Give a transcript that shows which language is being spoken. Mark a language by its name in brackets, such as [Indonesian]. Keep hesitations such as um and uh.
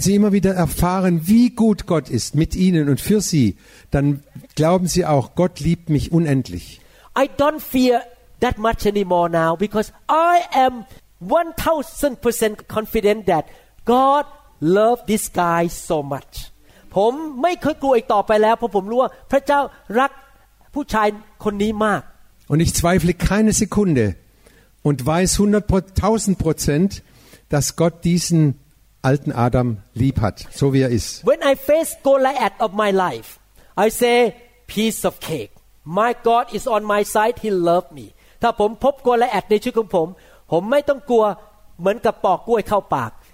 [German] sie immer wieder erfahren, wie gut Gott ist mit ihnen und für sie, dann glauben sie auch, Gott liebt mich unendlich. [English] I don't fear that much anymore now because I am 1000% confident that God love this guy so much [Thai] ผมไม่เคยกลัวอีกต่อไปแล้วเพราะผมรู้ว่า พระเจ้ารักผู้ชายคนนี้มาก [German] und ich zweifle keine Sekunde und weiß 100.000 Prozent dass Gott diesen alten Adam lieb hat so wie er ist [English] when I face Goliath of my life I say piece of cake my God is on my side he loved me [Thai] ถ้าผมพบโกลาแอดในชีวิตของผม ผมไม่ต้องกลัวเหมือนกับปอกกล้วยเข้าปาก